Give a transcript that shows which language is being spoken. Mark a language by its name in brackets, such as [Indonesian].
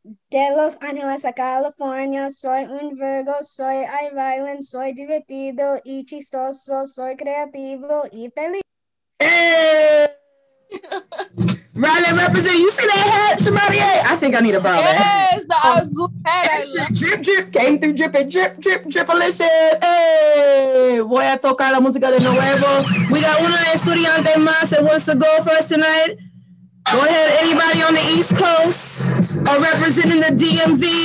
[Spanish] De Los Ángeles a California, soy un Virgo, soy I Violent, soy divertido y chistoso, soy creativo y feliz. [English] Riley, represent, you see that hat, Shemaria? I think I need a bottle. Yes, the azul hat. Drip, drip, came through dripping, drip, drip, dripalicious. [Spanish] Hey, voy a tocar la música de nuevo. [English] We got [Spanish] una estudiante más [English] that wants to go for us tonight. Go ahead, anybody on the East Coast or representing the DMV.